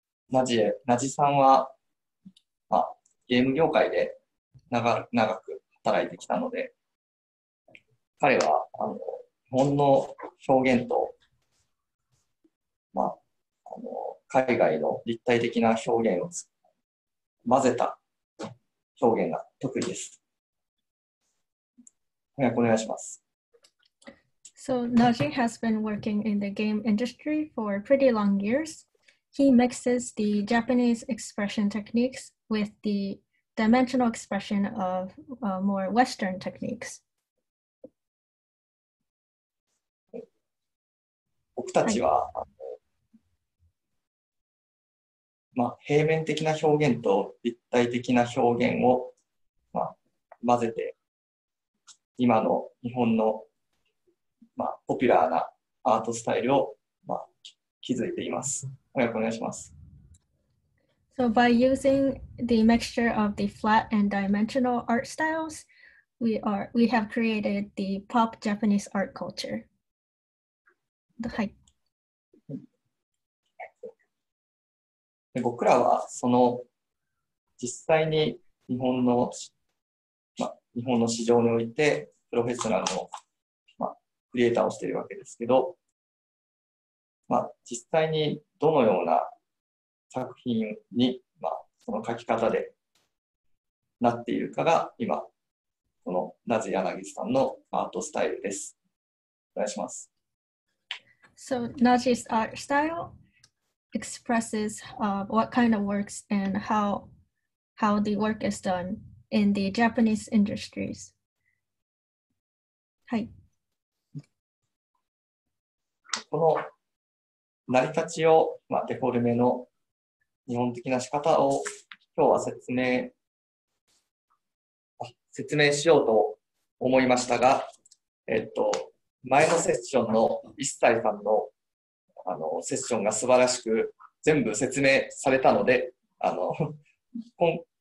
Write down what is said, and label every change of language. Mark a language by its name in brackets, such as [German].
[Japanese] ナジさんは、まあ、ゲーム業界で長く働いてきたので、彼は、日本の表現と、まあ、海外の立体的な表現を混ぜた表現が得意です。お願いします。 [English] So, Najin has been working in the game industry for pretty long years. He mixes the Japanese expression techniques with the dimensional expression of more Western techniques. [Japanese] 僕たちは、まあ、平面的な表現と立体的な表現を、まあ、混ぜて今の日本の、まあ、ポピュラーなアートスタイルを、まあ、築いています。お願いします。 [English] So by using the mixture of the flat and dimensional art styles, we have created the pop Japanese art culture. [Japanese] はい。僕らはその実際に日本の、まあ、日本の市場においてプロフェッショナルの、まあ、クリエイターをしているわけですけど、まあ、実際にどのような作品に、まあ、その書き方でなっているかが今このナジ柳さんのアートスタイルです。お願いします。 [English] So Naji's art styleExpresses what kind of works and how the work is done in the Japanese industries. [Japanese] はい。この成り立ちを、まあ、デフォルメの日本的な仕方を今日は説明しようと思いましたが、前のセッションの一歳さんの、セッションが素晴らしく全部説明されたので、今